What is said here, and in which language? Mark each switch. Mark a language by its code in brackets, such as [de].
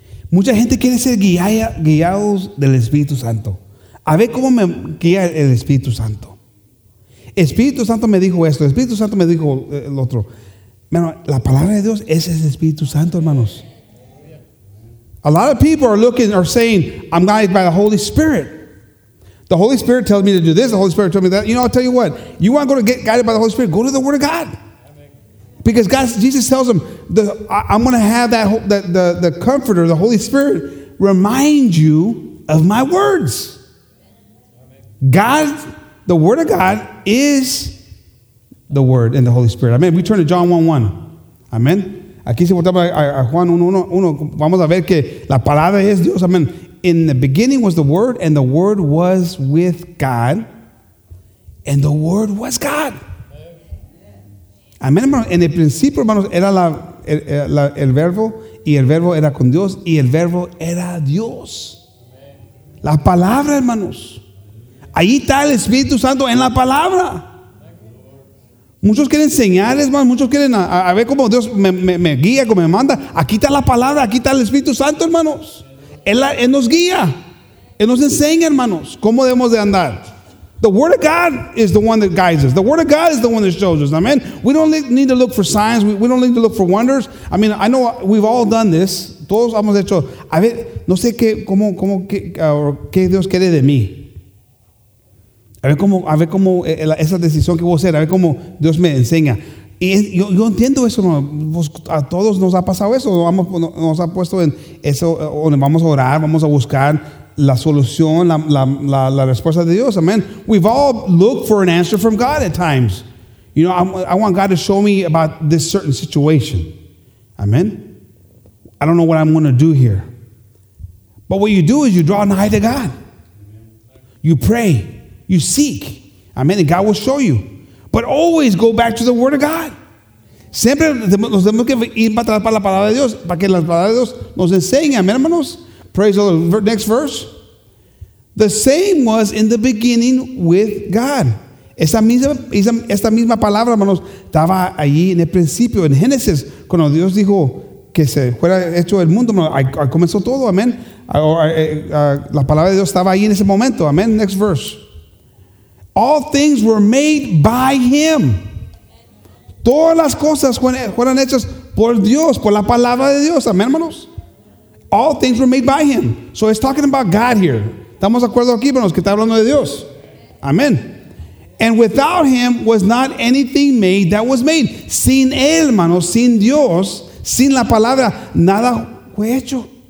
[es] Mucha gente quiere ser guiados del Espíritu Santo. A ver cómo me guía el Espíritu Santo. Espíritu Santo me dijo esto. Espíritu Santo me dijo el otro. Bueno, la palabra de Dios es el Espíritu Santo, hermanos. [en] A lot of people are looking, are saying, I'm guided by the Holy Spirit. The Holy Spirit tells me to do this. The Holy Spirit told me that. You know, I'll tell you what. You want to go to get guided by the Holy Spirit, go to the Word of God. Because God, Jesus tells them, I'm going to have the Comforter, the Holy Spirit, remind you of my words. God, the Word of God is the Word and the Holy Spirit. [es] Amen. [en] We turn to John 1:1. [es] Amen. Aquí se volta a Juan 1:1. Vamos a ver que la palabra es Dios. Amen. [en] In the beginning was the Word, and the Word was with God, and the Word was God. Amen. Amen. [es] En el principio, hermanos, era el verbo, y el verbo era con Dios, y el verbo era Dios. La palabra, hermanos. Ahí está el Espíritu Santo en la palabra. Muchos quieren señales, hermanos. Muchos quieren a ver cómo Dios me guía, cómo me manda. Aquí está la palabra, aquí está el Espíritu Santo, hermanos. Él nos guía. Él nos enseña, hermanos, cómo debemos de andar. [en] The Word of God is the one that guides us. The Word of God is the one that shows us. Amen. We don't need to look for signs. We don't need to look for wonders. I mean, I know we've all done this. [es] Todos hemos hecho. A ver, no sé qué Dios quiere de mí. A ver cómo esa decisión que voy a hacer, a ver cómo Dios me enseña. Y yo entiendo eso, pues a todos nos ha pasado eso, nos ha puesto en eso, donde vamos a orar, vamos a buscar la solución, la respuesta de Dios, amen. [en] We've all looked for an answer from God at times. You know, I want God to show me about this certain situation, amen. I don't know what I'm going to do here. But what you do is you draw nigh to God. You pray. You seek. Amen. And God will show you. But always go back to the Word of God. [es] Siempre nos tenemos que ir para atrás para la palabra de Dios, para que la palabra de Dios nos enseñe. [en] Amen, hermanos. Praise the Lord. Next verse. The same was in the beginning with God. [es] Esta misma palabra, hermanos, estaba allí en el principio, en Génesis, cuando Dios dijo que se fuera hecho el mundo. Ahí comenzó todo. Amen. La palabra de Dios estaba allí en ese momento. Amen. [en] Next verse. All things were made by him. [es] Todas las cosas fueron hechas por Dios, por la palabra de Dios. Amén, hermanos. [en] All things were made by him. So it's talking about God here. [es] Estamos de acuerdo aquí, hermanos, que está hablando de Dios. Amén. [en] And without him was not anything made that was made. [es] Sin él, hermanos, sin Dios, sin la palabra, nada fue hecho.